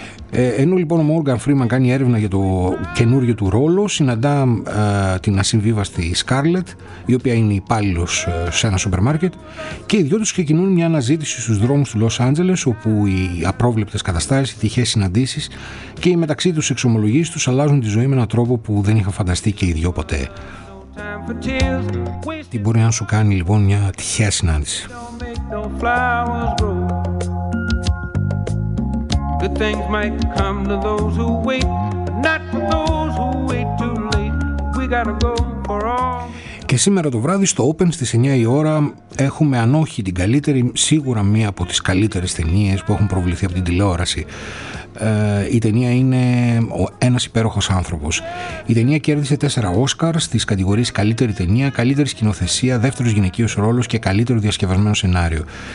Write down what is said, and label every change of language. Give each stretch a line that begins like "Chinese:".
Greek: Ενώ λοιπόν ο Μόργαν Φρίμαν κάνει έρευνα για το καινούριο του ρόλο, συναντά την ασυμβίβαστη Σκάρλετ, η οποία είναι υπάλληλος σε ένα σούπερ μάρκετ, και οι δυο τους ξεκινούν μια αναζήτηση στους δρόμους του Λος Άντζελες, όπου οι απρόβλεπτες καταστάσεις, οι τυχαίες συναντήσεις και οι μεταξύ τους εξομολογήσεις τους αλλάζουν τη ζωή με έναν τρόπο που δεν είχαν φανταστεί και οι δυο ποτέ. Τι μπορεί να σου κάνει λοιπόν μια τυχαία συνάντηση?
English: Good things might come to those who wait, but not for those who wait too late. We gotta go for all.
Greek: Και σήμερα το βράδυ στο Open στις 9 η ώρα έχουμε, αν όχι την καλύτερη, σίγουρα μία από τις καλύτερες ταινίες που έχουν προβληθεί από την τηλεόραση. Η ταινία είναι ένας υπέροχος άνθρωπος. Η ταινία κέρδισε 4 Όσκαρ στις κατηγορίες καλύτερη ταινία, καλύτερη σκηνοθεσία, δεύτερος γυναικείος ρόλος και καλύτερο διασκευασμένο σενάριο.